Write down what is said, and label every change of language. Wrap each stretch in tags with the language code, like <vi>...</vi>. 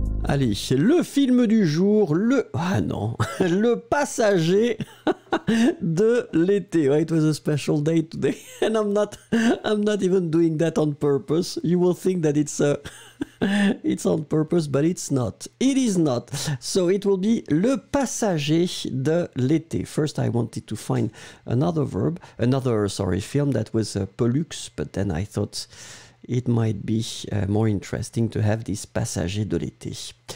<fr>Allez, le film du jour, le passager de l'été.</fr> <en>It was a special day today, and I'm not even doing that on purpose. You will think that it's on purpose, but it's not. It is not. So it will be le passager de l'été. First, I wanted to find another film that was Pollux, but then I thought it might be more interesting to have this passager de l'été.</en>